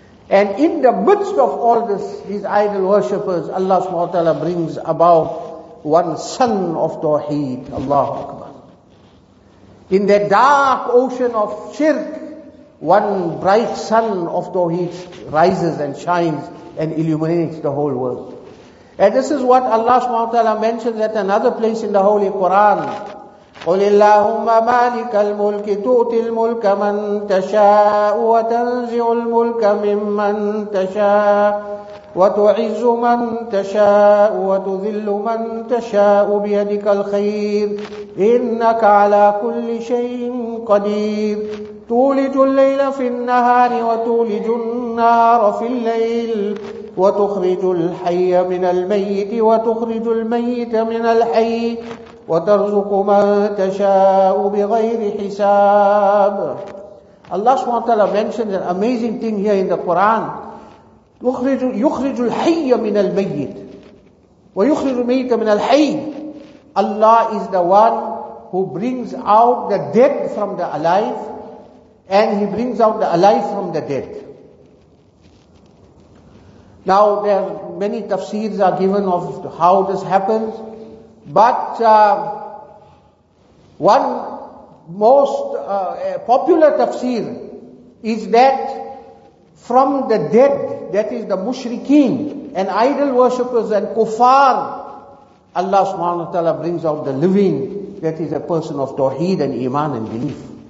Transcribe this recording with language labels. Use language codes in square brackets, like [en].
[en] And in the midst of all this, these idol worshippers, Allah subhanahu wa ta'ala brings about one son of Tawheed, Allahu Akbar. In that dark ocean of shirk, one bright sun of Tawheed rises and shines and illuminates the whole world. And this is what Allah subhanahu wa ta'ala mentions at another place in the Holy Quran. [ar] قُلِ اللَّهُمَّ مَالِكَ الْمُلْكِ تُؤْتِي الْمُلْكَ مَنْ تَشَاءُ وَتَنْزِعُ الْمُلْكَ مِمَّنْ تَشَاءُ وَتُعِزُّ مَنْ تَشَاءُ وَتُذِلُّ مَنْ تَشَاءُ بِيَدِكَ الْخَيْرِ إِنَّكَ عَلَى كُلِّ شَيْءٍ قَدِيرٌ تولج الليل في النهار وتولج النار في الليل وتخرج الحي من الميت وتخرج الميت من الحي وترزق من تشاء بغير حساب. [en] Allah subhanahu wa ta'ala mentioned an amazing thing here in the Quran. [ar] يخرج الحي من الميت ويخرج الميت من الحي. [en] Allah is the one who brings out the dead from the alive, and he brings out the alive from the dead. Now, there are many tafsirs are given of how this happens, but one most popular tafsir is that from the dead, that is the mushrikeen and idol worshippers and kuffar, Allah subhanahu wa ta'ala brings out the living, that is a person of tawheed and iman and belief.